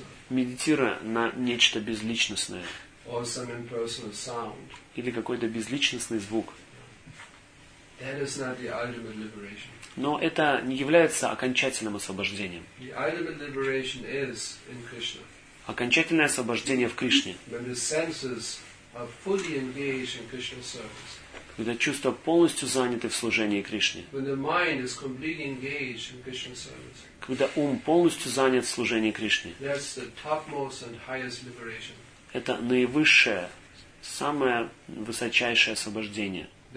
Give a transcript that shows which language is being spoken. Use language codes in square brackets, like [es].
[ru] Медитируя на нечто безличностное. [en] Or some impersonal sound. [ru] Или какой-то безличностный звук. [en] That is not the ultimate liberation. [ru] Но это не является окончательным освобождением. [en] The ultimate liberation is in Krishna. [ru] Окончательное освобождение в Кришне. [en] When the senses are fully engaged in Krishna's service. [ru] Когда чувства полностью заняты в служении Кришне. [en] When the mind is completely engaged in Krishna's service. [ru] Когда ум полностью занят в служении Кришне. [en] That's the topmost and highest liberation. [ru] Это наивысшее, самое высочайшее освобождение.